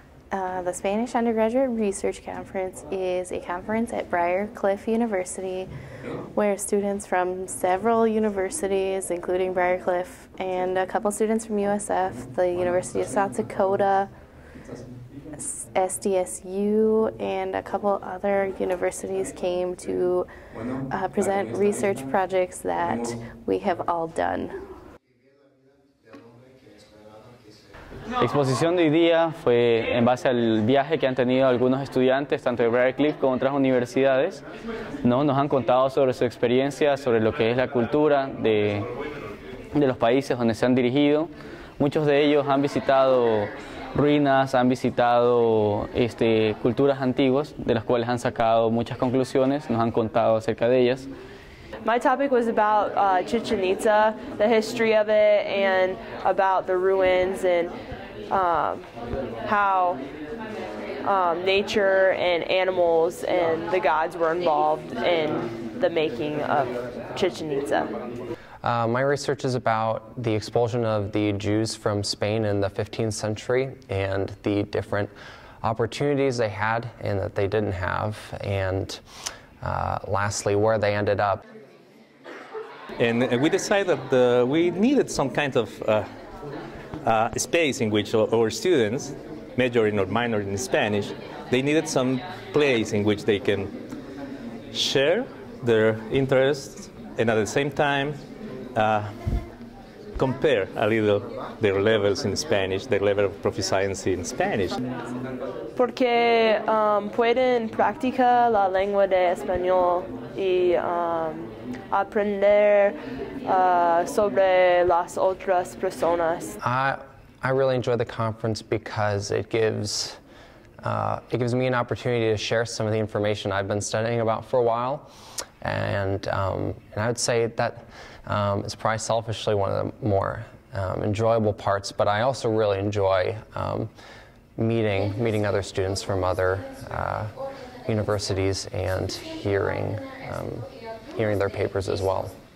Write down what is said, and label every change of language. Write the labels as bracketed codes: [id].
[en] The Spanish Undergraduate Research Conference is a conference at Briarcliff University where students from several universities, including Briarcliff, and a couple students from USF, the University of South Dakota, SDSU, and a couple other universities came to present research projects that we have all done. [es] La exposición de hoy día fue en base al viaje que han tenido algunos estudiantes, tanto de Briarcliff como otras universidades. ¿No? Nos han contado sobre su experiencia, sobre lo que es la cultura de los países donde se han dirigido. Muchos de ellos han visitado ruinas, han visitado culturas antiguas, de las cuales han sacado muchas conclusiones, nos han contado acerca de ellas. [en] My topic was about Chichen Itza, the history of it, and about the ruins and how nature and animals and the gods were involved in the making of Chichen Itza. My research is about the expulsion of the Jews from Spain in the 15th century and the different opportunities they had and that they didn't have, and lastly, where they ended up. And we decided that we needed some kind of space in which our students, majoring or minoring in Spanish, they needed some place in which they can share their interests and at the same time compare a little their levels in Spanish, their level of proficiency in Spanish. [es] Porque pueden practicar la lengua de español y aprender sobre las otras personas. [en] I really enjoy the conference because it gives me an opportunity to share some of the information I've been studying about for a while, and I would say that it's probably selfishly one of the more enjoyable parts, but I also really enjoy meeting other students from other universities and hearing their papers as well.